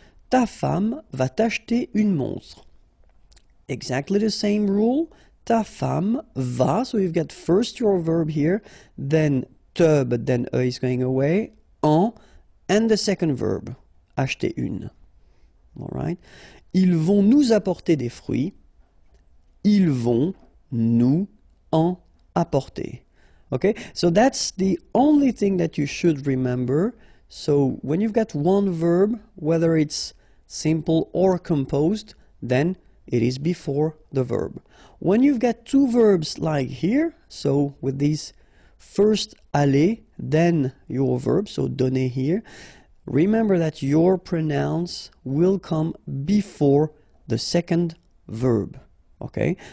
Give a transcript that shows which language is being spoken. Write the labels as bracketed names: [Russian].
[French] Ta femme va t'acheter une montre. [English] Exactly the same rule, [French] ta femme va, [English] so you've got first your verb here, then te, but then e is going away, en, and the second verb, acheter une. All right. [French] Ils vont nous apporter des fruits, ils vont nous en apporter. [English] Okay, so that's the only thing that you should remember. So when you've got one verb, whether it's simple or composed, then it is before the verb. When you've got two verbs like here, so with this first aller, then your verb, so donner here, remember that your pronouns will come before the second verb, okay?